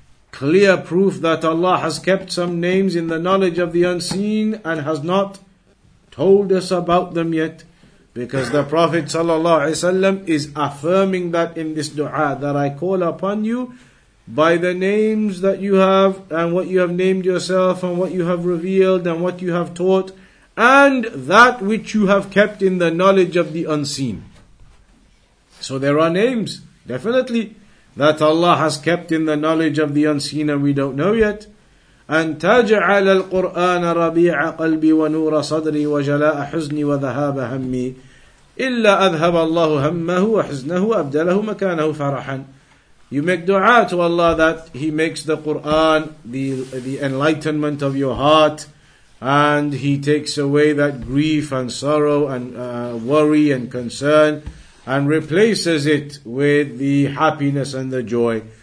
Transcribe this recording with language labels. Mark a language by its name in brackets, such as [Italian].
[English] Clear proof that Allah has kept some names in the knowledge of the unseen and has not told us about them yet, because the Prophet ﷺ is affirming that in this dua, that I call upon you by the names that you have and what you have named yourself and what you have revealed and what you have taught and that which you have kept in the knowledge of the unseen. So there are names, definitely, that Allah has kept in the knowledge of the unseen and we don't know yet. [Arabic] أن تجعل القرآن ربيع قلبي ونور صدري وجلاء حزني وذهاب همي إلا أذهب الله همه وحزنه وأبدله مكانه فرحا. [English] You make dua to Allah that He makes the Quran the enlightenment of your heart, and He takes away that grief and sorrow and worry and concern, and replaces it with the happiness and the joy.